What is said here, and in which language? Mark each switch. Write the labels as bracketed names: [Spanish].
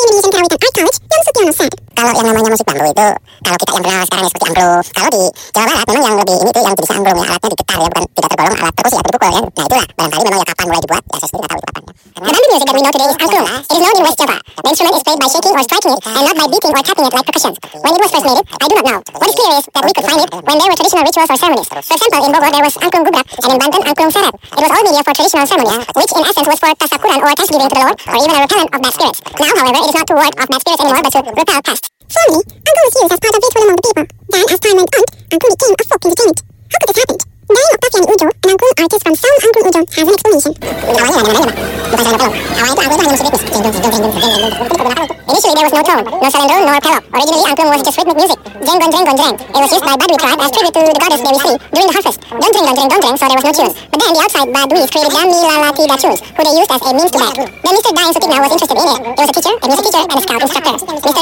[Indonesian] namanya musik bambu itu kalau kita yang kenal sekarang ya seperti angklung. Kalau di Jawa Barat memang yang lebih ini tuh yang bisa angklung ya, alatnya digetar ya, bukan tidak tergolong alat perkusi atau dipukul kan. Nah itulah barangkali memang ya kapan mulai dibuat ya saya sendiri tidak tahu itu kapannya. [English] The bamboo music that we know today is angklung. It is known in West Java. The instrument is played by shaking or striking it and not by beating or tapping it like percussion. When it was first made, I do not know. What is clear is that we could find it when there were traditional rituals or ceremonies. For example, in Bogor there was angklung gubrak and in Banten angklung sarap. It was all media for traditional ceremonies, which in essence was for tasakuran or thanksgiving to the Lord or even a repellent of bad spirits. Now, however, it is not to ward off bad spirits anymore, but to repel pests. Formerly, angklung was used as part of ritual among the people. Then, as time went on, angklung became a folk entertainment. How could this happen? Dayung Octavian Ujo, an angklung artist from Saung Angklung Ujo, has an explanation. [Indonesian] Awalnya ya, dengan bukan saya nggak tahu. Awalnya itu angklung hanya musik ritmis. [English] Initially, there was no tone, no cylindro, nor pelok. Originally, angklung was just rhythmic music. Jeng-gong-jeng-gong-jeng. It was used by Badui tribe as tribute to the goddess Dewi Sri during the harvest. Gong-jeng-gong-jeng-gong-jeng, so there was no tunes. But then, the outside Baduis created Jamilalatida tunes, who they used as a means to back. Then Mr. Dayung Sutigna was interested in it. There was a teacher, a music teacher, and a scout instructor. Mr.